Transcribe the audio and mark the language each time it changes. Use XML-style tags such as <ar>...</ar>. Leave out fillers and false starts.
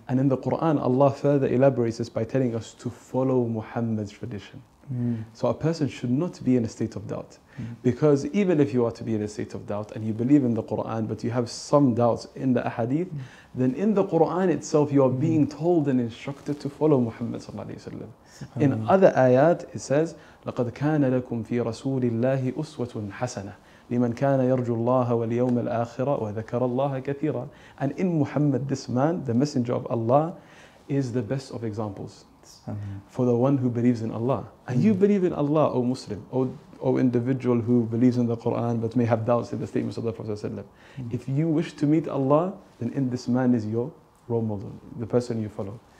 <en>And in the Quran, Allah further elaborates this by telling us to follow Muhammad's tradition. Mm. So a person should not be in a state of doubt. Mm. Because even if you are to be in a state of doubt and you believe in the Quran, but you have some doubts in the ahadith, then in the Quran itself, you are being told and instructed to follow Muhammad sallallahu alayhi wa sallam.</en> <ar>In other ayat, it says, لَقَدْ كَانَ لَكُمْ فِي رَسُولِ اللَّهِ أُسْوَةٌ حَسَنَةٌ لِمَنْ كَانَ يَرْجُ اللَّهَ وَالْيَوْمَ الْآخِرَةَ وَذَكَرَ اللَّهَ كَثِيرًا.</ar> <en>And in Muhammad, this man, the messenger of Allah, is the best of examples for the one who believes in Allah. And you believe in Allah, O Muslim, O individual who believes in the Quran but may have doubts in the statements of the Prophet ﷺ. If you wish to meet Allah, then in this man is your role model, the person you follow.</en>